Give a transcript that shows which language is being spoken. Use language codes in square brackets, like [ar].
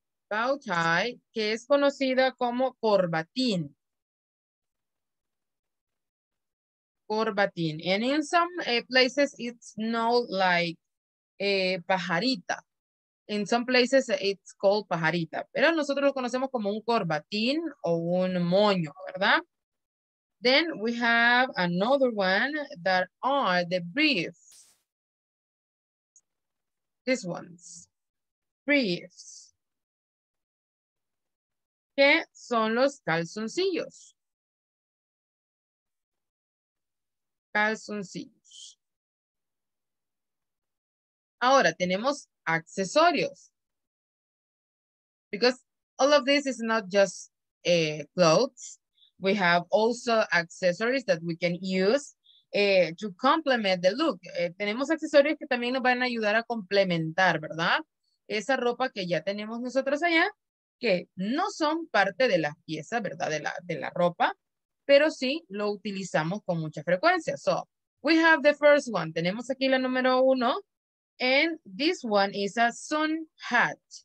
[es] Bow tie, que es conocida como corbatín. [en] Corbatín. And in some places it's not like pajarita. In some places it's called pajarita. [es] Pero nosotros lo conocemos como un corbatín o un moño, ¿verdad? [en] Then we have another one that are the briefs. These ones. Briefs. [es] ¿Qué son los calzoncillos? Calzoncillos. Ahora tenemos accesorios. [en] Because all of this is not just clothes. We have also accessories that we can use to complement the look. [es] Tenemos accesorios que también nos van a ayudar a complementar, ¿verdad? Esa ropa que ya tenemos nosotros allá, que no son parte de las piezas, ¿verdad? De la ropa. Pero sí lo utilizamos con mucha frecuencia. So, [en] We have the first one. [es] Tenemos aquí la número uno. [en] And this one is a sun hat.